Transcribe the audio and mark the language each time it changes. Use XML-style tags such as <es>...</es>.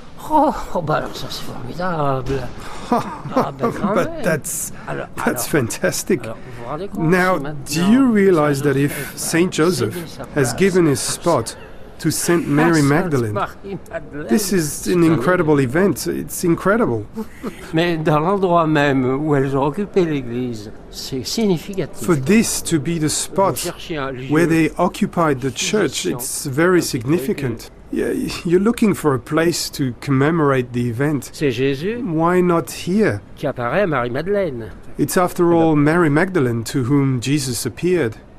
<fr>Oh, bah alors ça, c'est formidable.</fr> <en>But that's fantastic. Now, do you realize that if Saint Joseph has given his spot to Saint Mary Magdalene, this is an incredible event. It's incredible.</en> <fr>Mais dans l'endroit même où elles ont occupé l'église, c'est significatif.</fr> <en>For this to be the spot where they occupied the church, it's very significant. Yeah, you're looking for a place to commemorate the event.</en> <fr>C'est Jésus.</fr> <en>Why not here?</en> <fr>Qui apparaît à Marie Madeleine.</fr> <en>It's after all Mary Magdalene to whom Jesus appeared.</en>